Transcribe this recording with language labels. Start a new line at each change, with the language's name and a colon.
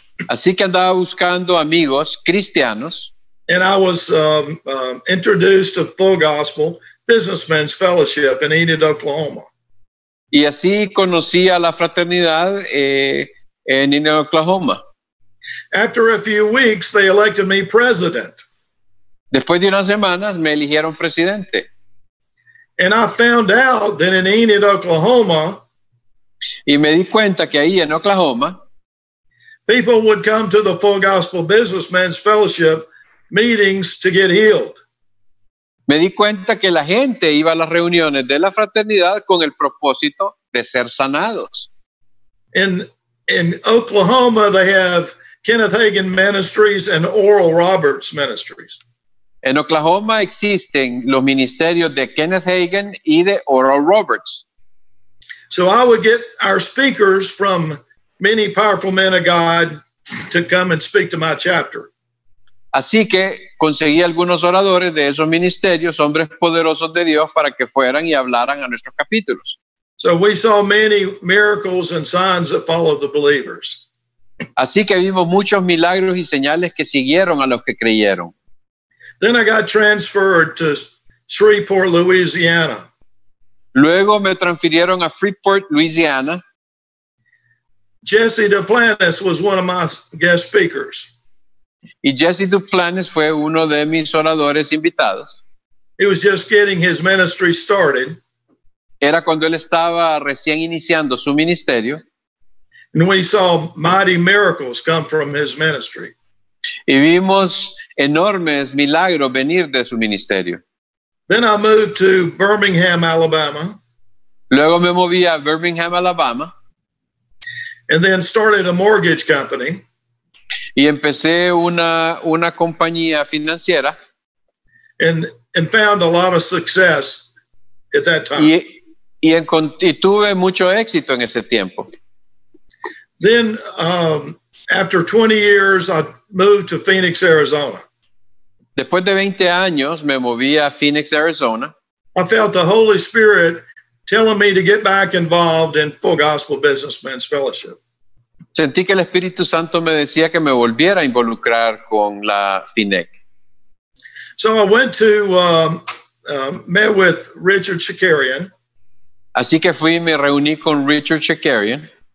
Spanish: Así que andaba buscando amigos cristianos.
English: And I was introduced to Full Gospel Businessmen's Fellowship in Enid, Oklahoma.
Spanish: Y así conocí a la fraternidad en Enid, Oklahoma.
English: After a few weeks, they elected me president.
Spanish: Después de unas semanas, me eligieron presidente.
English: And I found out that in Enid, Oklahoma,
Spanish: y me di cuenta que ahí en Oklahoma,
English: people would come to the Full Gospel Businessmen's Fellowship meetings to get healed.
Spanish: Me di cuenta que la gente iba a las reuniones de la fraternidad con el propósito de ser sanados.
English: In Oklahoma, they have Kenneth Hagin Ministries and Oral Roberts Ministries.
Spanish: En Oklahoma existen los ministerios de Kenneth Hagin y de Oral Roberts.
English: So I would get our speakers from many powerful men of God to come and speak to my chapter.
Spanish: Así que conseguí algunos oradores de esos ministerios, hombres poderosos de Dios, para que fueran y hablaran a nuestros capítulos.
English: So we saw many miracles and signs that followed the believers.
Spanish: Así que vimos muchos milagros y señales que siguieron a los que creyeron.
English: Then I got transferred to Shreveport, Louisiana.
Spanish: Luego me transfirieron a Freeport, Louisiana.
English: Jesse Duplantis was one of my guest speakers.
Spanish: Y Jesse Duplantis fue uno de mis oradores invitados.
English: He was just getting his ministry started.
Spanish: Era cuando él estaba recién iniciando su ministerio.
English: And we saw mighty miracles come from his ministry.
Spanish: Y vimos enormes milagros venir de su ministerio.
English: Then I moved to Birmingham, Alabama.
Spanish: Luego me moví a Birmingham, Alabama.
English: And then started a mortgage company.
Spanish: Y empecé una compañía financiera.
English: And found a lot of success at that time.
Spanish: Y tuve mucho éxito en ese tiempo.
English: Then after 20 years I moved to Phoenix, Arizona.
Spanish: Después de 20 años me moví a Phoenix, Arizona.
English: I felt the Holy Spirit telling me to get back involved in Full Gospel Businessmen's Fellowship.
Spanish: Sentí que el Espíritu Santo me decía que me volviera a involucrar con la FINEC.
English: So I went to met with Richard Chakarian.
Spanish: Así que fui y me reuní con Richard Chakarian.